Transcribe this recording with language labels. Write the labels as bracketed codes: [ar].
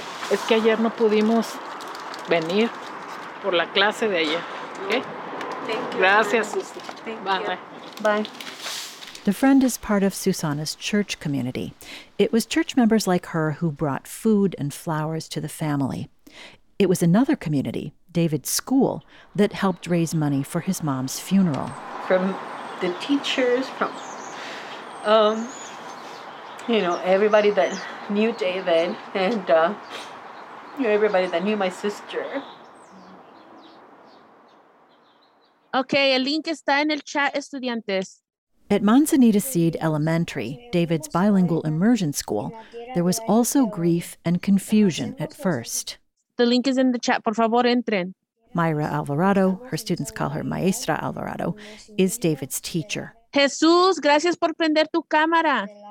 [es] Es que ayer no pudimos venir por la clase de ayer. [en] Okay? Thank you. [es] Gracias. [en] Bye. Bye. The friend is part of Susana's church community. It was church members like her who brought food and flowers to the family. It was another community, David's school, that helped raise money for his mom's funeral. From the teachers, from, you know, everybody that knew David and everybody that knew my sister. [es] Okay, el link está en el chat, estudiantes. [en] At Manzanita Seed Elementary, David's bilingual immersion school, there was also grief and confusion at first. The link is in the chat. [es] Por favor, entren. [en] Myra Alvarado, her students call her Maestra Alvarado, is David's teacher. [es] Jesús, gracias por prender tu cámara.